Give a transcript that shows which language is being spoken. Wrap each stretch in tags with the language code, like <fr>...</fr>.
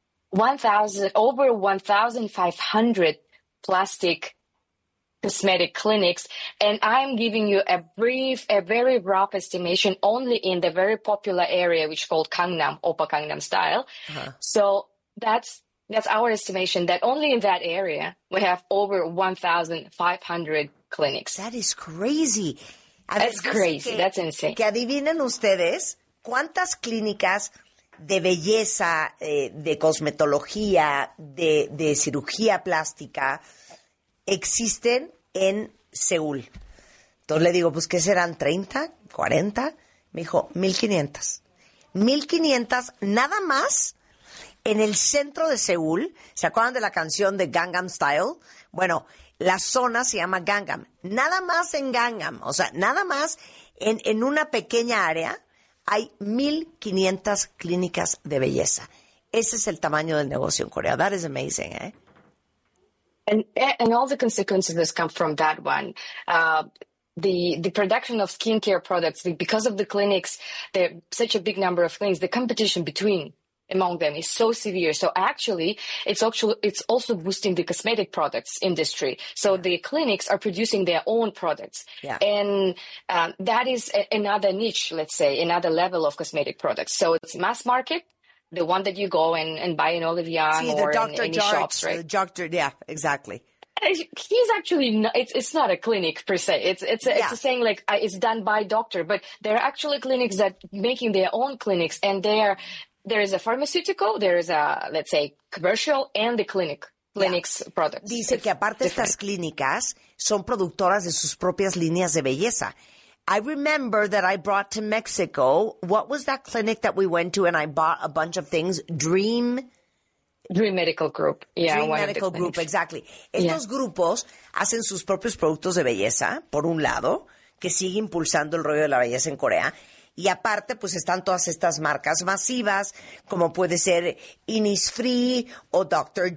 <en>1,000, over 1,500 plastic cosmetic clinics, and I'm giving you a brief, a very rough estimation only in the very popular area, which is called Gangnam, Oppa Gangnam style. Uh-huh. So that's our estimation, that only in that area we have over 1,500 clinics. That is crazy. That's crazy. That's insane.</en> <es>Que adivinen ustedes cuántas clínicas de belleza, de cosmetología, de cirugía plástica existen en Seúl. Entonces le digo, pues, ¿qué serán? ¿30? ¿40? Me dijo, 1,500. 1,500 nada más en el centro de Seúl. ¿Se acuerdan de la canción de Gangnam Style? Bueno, la zona se llama Gangnam. Nada más en Gangnam, o sea, nada más en una pequeña área, hay 1,500 clínicas de belleza. Ese es el tamaño del negocio en Corea.</es> <en>That is amazing, ¿eh? And all the consequences that come from that one, the production of skincare products, because of the clinics, there are such a big number of clinics, the competition between among them is so severe. So actually, it's also boosting the cosmetic products industry. So the clinics are producing their own products. Yeah. And that is another niche, let's say, another level of cosmetic products. So it's mass market. The one that you go and buy in Olive Young or Dr. in any shops, right? The doctor, yeah, exactly. He's actually, it's not a clinic per se. It's a saying like it's done by doctor, but there are actually clinics that making their own clinics, and there is a pharmaceutical, there is a, let's say, commercial, and the clinic's products.</en> <es>Dice</es> <en>it's</en> <es>que aparte</es> <en>different.</en> <es>Estas clínicas son productoras de sus propias líneas de belleza.</es> <en>I remember that I brought to Mexico, what was that clinic that we went to and I bought a bunch of things? Dream Medical Group. Yeah, Dream Medical Group, exactly.</en> <es>Estos grupos hacen sus propios productos de belleza, por un lado, que sigue impulsando el rollo de la belleza en Corea. Y aparte, pues están todas estas marcas masivas, como puede ser Innisfree, o Dr.</es>